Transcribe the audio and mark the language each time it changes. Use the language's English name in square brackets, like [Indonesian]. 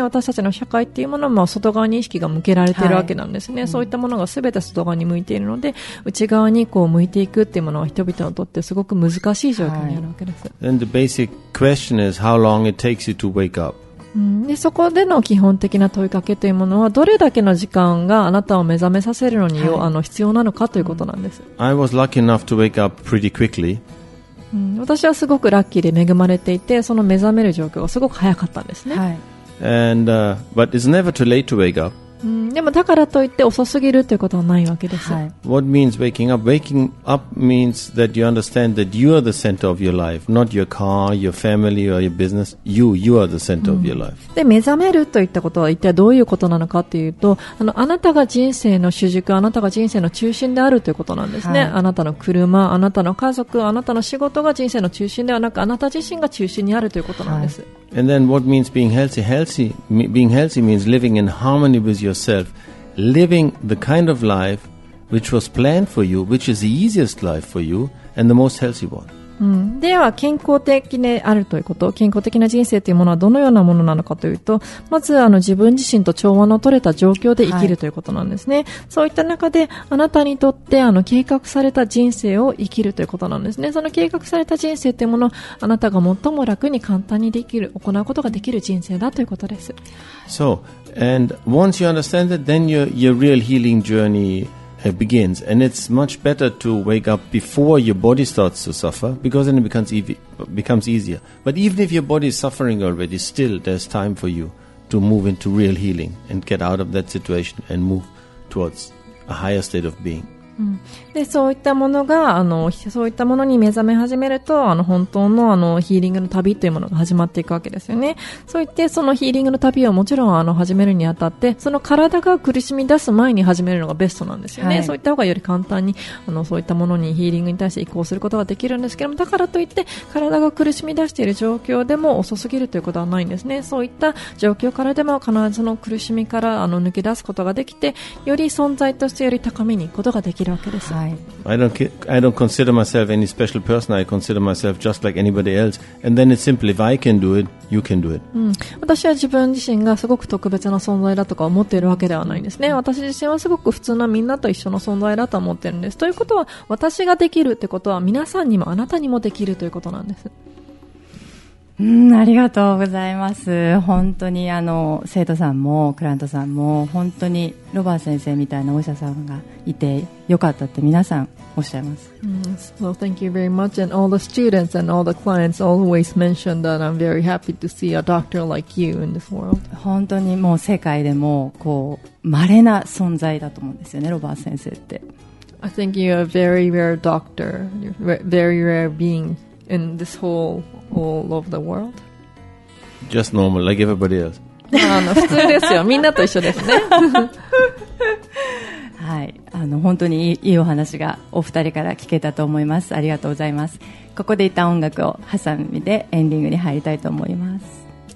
[Japanese] 私たちの社会っていうものも外側に意識が向けられているわけなんですね、はい、そういったものが全て外側に向いているので、うん、内側にこう向いていくっていうものは人々にとってすごく難しい状況にあるわけです、はい、 [English] And the basic question is how long it takes you to wake up、 [Japanese] うん、でそこでの基本的な問いかけというものはどれだけの時間があなたを目覚めさせるのに、はい、必要なのかということなんです、うん、 [English] I was lucky enough to wake up pretty quickly [Japanese] うん、私はすごくラッキーで恵まれていて、その目覚める状況がすごく早かったんですね。はい。 [English] And, but it's never too late to wake up.、 [Japanese] うん、でもだからといって遅すぎるということはないわけです。はい。 [English] What means waking up? Waking up means that you understand that you are the center of your life, not your car, your family, or your business. You are the center、うん、of your life. [Japanese] で、目覚めるといったことは一体どういうことなのかというと、あなたが人生の主軸、あなたが人生の中心であるということなんですね、はい、あなたの車、あなたの家族、あなたの仕事が人生の中心ではなく、あなた自身が中心にあるということなんです、はい、 [English] And then what means being healthy? Being healthy means living in harmony with yourself, living the kind of life which was planned for you, which is the easiest life for you and the most healthy one. [Japanese] うん、では健康的であるということ、健康的な人生というものはどのようなものなのかというと、まず自分自身と調和の取れた状況で生きるということなんですね、はい、そういった中であなたにとって計画された人生を生きるということなんですね。その計画された人生というものをあなたが最も楽に簡単にできる、行うことができる人生だということです。 [English] So, and once you understand that, then your real healing journeyIt begins, and it's much better to wake up before your body starts to suffer, because then it becomes easier. But even if your body is suffering already, still there's time for you to move into real healing and get out of that situation and move towards a higher state of being. [Japanese] うん、でそういったものがそういったものに目覚め始めると本当 の, ヒーリングの旅というものが始まっていくわけですよね。そういってそのヒーリングの旅をもちろん始めるにあたって、その体が苦しみ出す前に始めるのがベストなんですよね、はい、そういった方がより簡単にそういったものにヒーリングに対して移行することができるんですけども、だからといって体が苦しみ出している状況でも遅すぎるということはないんですね。そういった状況からでも必ずその苦しみから抜け出すことができて、より存在としてより高めにいくことができる。 [English] I don't consider myself any special person. I consider myself just like anybody else. And then it's simply, if I can do it, you can do it.、 [Japanese] うん、私は自分自身がすごく特別な存在だとか思っているわけではないんですね。私自身はすごく普通なみんなと一緒の存在だと思っているんです。ということは、私ができるってことは皆さんにもあなたにもできるということなんです。うん、ありがとうございます。本当に生徒さんもクライアントさんも本当にロバート先生みたいなお医者さんがいてよかったって皆さんおっしゃいます、 mm-hmm. [English] So thank you very much, and all the students and all the clients always mention that I'm very happy to see a doctor like you in this world. [Japanese] 本当にもう世界でもこう稀な存在だと思うんですよね、ロバート先生って。 [English] I think you're a very rare doctor, very rare beingin this whole all of the world. Just normal, like everybody else. [Japanese] 普通ですよ。みんなと一緒ですね。はい。本当にいいお話がお二人から聞けたと思います。ありがとうございます。ここで一旦音楽を挟みでエンディングに入りたいと思います。